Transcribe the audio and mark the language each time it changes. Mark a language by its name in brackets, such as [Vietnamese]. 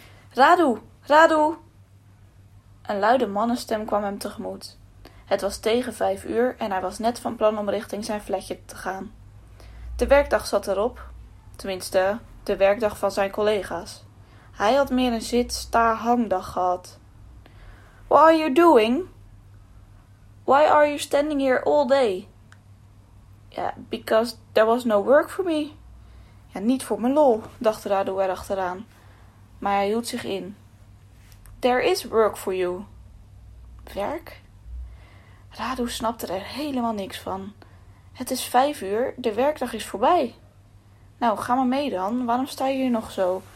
[Dutch] Radu, Radu! Een luide mannenstem kwam hem tegemoet. Het was tegen 5 uur en hij was net van plan om richting zijn flatje te gaan. De werkdag zat erop, tenminste de werkdag van zijn collega's. Hij had meer een zit-sta-hangdag gehad. [English] What are you doing? Why are you standing here all day? Yeah, because there was no work for me. [Dutch] Ja, niet voor mijn lol, dacht Radu erachteraan. Maar hij hield zich in. [English] There is work for you. [Dutch] Werk? Radu snapte er helemaal niks van. Het is 5 uur, de werkdag is voorbij. Nou, ga maar mee dan, waarom sta je hier nog zo?